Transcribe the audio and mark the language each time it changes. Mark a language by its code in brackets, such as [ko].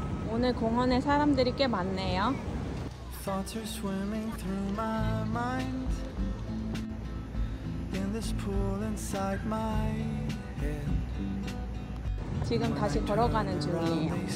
[ko] 오늘 공원에 사람들이 꽤 많네요. [en] Thoughts are swimming through my mind in this pool inside my head. [ko] 지금 다시 걸어가는 중이에요.